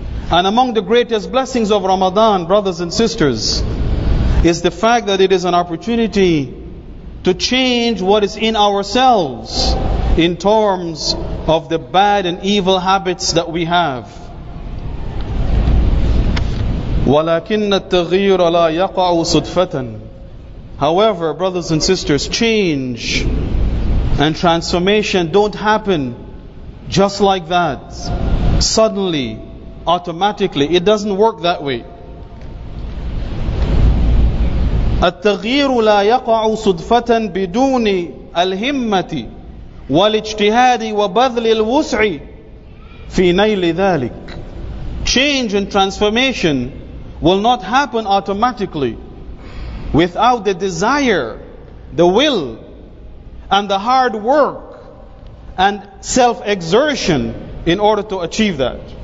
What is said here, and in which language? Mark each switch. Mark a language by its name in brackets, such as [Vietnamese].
[English] And among the greatest blessings of Ramadan, brothers and sisters, is the fact that it is an opportunity to change what is in ourselves in terms of the bad and evil habits that we have. [Arabic] ولكن التغيير لا يقع صدفة. [English] However, brothers and sisters, change and transformation don't happen just like that, suddenly, automatically. It doesn't work that way. [Arabic] التغيير لا يقع صدفة بدون الهمة والاجتهاد وبذل الوسع في نيل ذلك. [English] Change and transformation will not happen automatically without the desire, the will, and the hard work and self-exertion in order to achieve that.